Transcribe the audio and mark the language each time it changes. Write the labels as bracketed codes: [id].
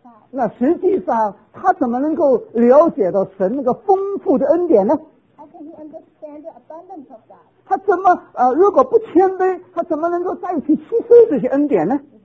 [zh] 那实际上他怎么能够了解到神那个丰富的恩典呢？ [en] How can he understand the abundance of God? [zh] 他怎么如果不谦卑，他怎么能够再去吸收这些恩典呢？